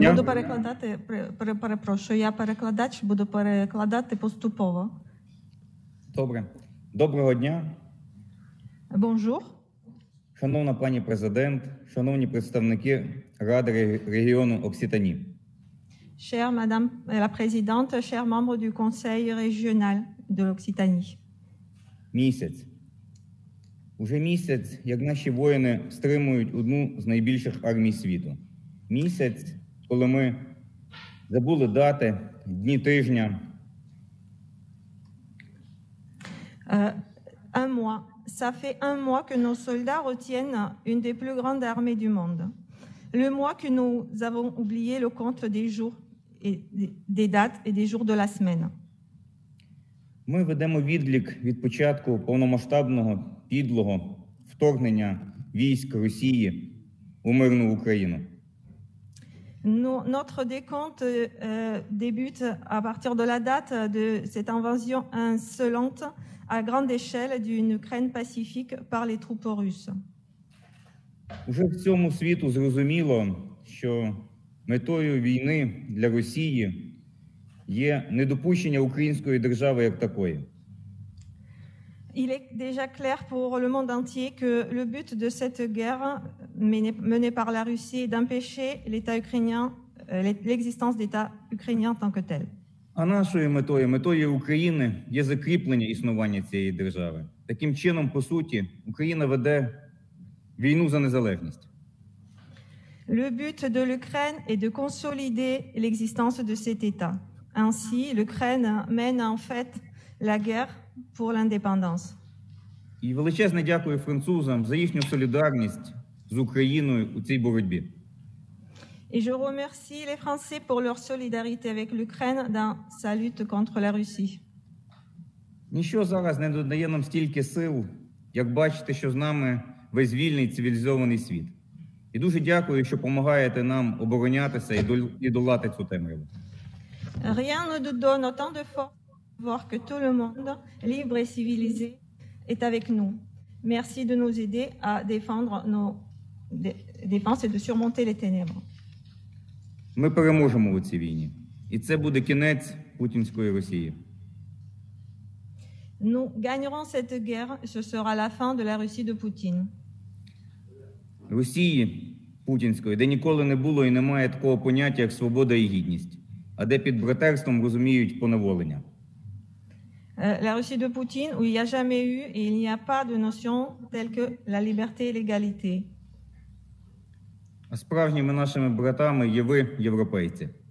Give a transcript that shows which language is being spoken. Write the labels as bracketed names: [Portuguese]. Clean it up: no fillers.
[Ukrainian] Я буду перекладати, перепрошую, я перекладач, буду перекладати поступово. Добре. Доброго дня. [French] Бонжур. [Ukrainian] Шановна пані президент, шановні представники Ради регіону Окситані. [French] Cher madame la présidente, chers membres du conseil régional de l'Occitanie. [Ukrainian] Місяць. Уже місяць, як наші воїни стримують одну з найбільших армій світу. Місяць, коли ми забули дати, дні тижня. [French] Un mois. Ça fait un mois que nos soldats retiennent une des plus grandes armées du monde. Le mois que nous avons oublié le compte des jours et des dates et des jours de la semaine. [Ukrainian] Ми ведемо відлік від початку повномасштабного підлого вторгнення військ Росії у мирну Україну. [French] Notre décompte débute à partir de la date de cette invasion insolente à grande échelle d'une Ukraine pacifique par les troupes russes. [Ukrainian] Уже в цьому світу зрозуміло, що метою війни для Росії є недопущення української держави як такої. [French] Il est déjà clair pour le monde entier que le but de cette guerre menée par la Russie est d'empêcher l'État ukrainien, l'existence d'État ukrainien en tant que tel. [Ukrainian] А нашою метою, метою України, є закріплення існування цієї держави. Таким чином, по суті, Україна веде війну за незалежність. [French] Le but de l'Ukraine est de consolider l'existence de cet État. Ainsi, l'Ukraine mène en fait la guerre pour l'indépendance. [Ukrainian] І величезне дякую французам за їхню солідарність з Україною у цій боротьбі. [French] Et je remercie les Français pour leur solidarité avec l'Ukraine dans sa lutte contre la Russie. [Ukrainian] Ніщо зараз не додає нам стільки сил, як бачити, що з нами весь вільний цивілізований світ. І дуже дякую, що допомагаєте нам оборонятися і долати цю темряву. [French] Rien ne nous donne autant de force de voir que tout le monde, libre et civilisé, est avec nous. Merci de nous aider à défendre nos défenses et de surmonter les ténèbres. [Ukrainian] Ми переможемо у цій війні. І це буде кінець путінської Росії. [French] Nous gagnerons cette guerre, ce sera la fin de la Russie de Poutine. [Ukrainian] Росії путінської, де ніколи не було і немає такого поняття, як свобода і гідність, а де під братерством розуміють поневолення. [French] La Russie de Poutine, où il n'y a jamais eu et il n'y a pas de notion telle que la liberté et l'égalité. [Ukrainian] А справжніми нашими братами є ви, європейці.